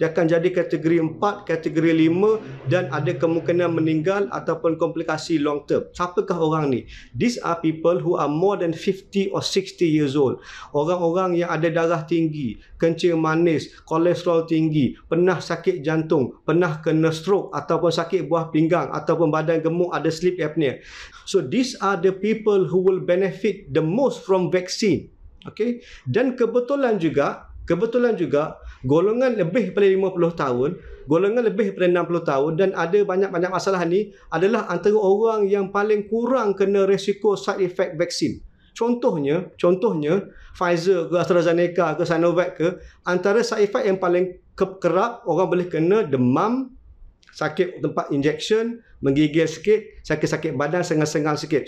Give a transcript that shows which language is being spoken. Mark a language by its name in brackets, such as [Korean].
[Malay] Dia akan jadi kategori 4, kategori 5 dan ada kemungkinan meninggal ataupun komplikasi long term. Siapakah orang ni? [English] These are people who are more than 50 or 60 years old. [Malay] Orang-orang yang ada darah tinggi, kencing manis, kolesterol tinggi, pernah sakit jantung, pernah kena stroke ataupun sakit buah pinggang ataupun badan gemuk ada sleep apnea. [English] So these are the people who will benefit the most from vaccine. [Malay] Okay, dan kebetulan juga golongan lebih pada 50 tahun, golongan lebih pada 60 tahun dan ada banyak-banyak masalah ni adalah antara orang yang paling kurang kena risiko side effect vaksin. Contohnya Pfizer ke AstraZeneca ke Sinovac ke, antara side effect yang paling kerap orang boleh kena demam, sakit tempat injection, menggigil sikit, sakit-sakit badan, sengal-sengal sikit.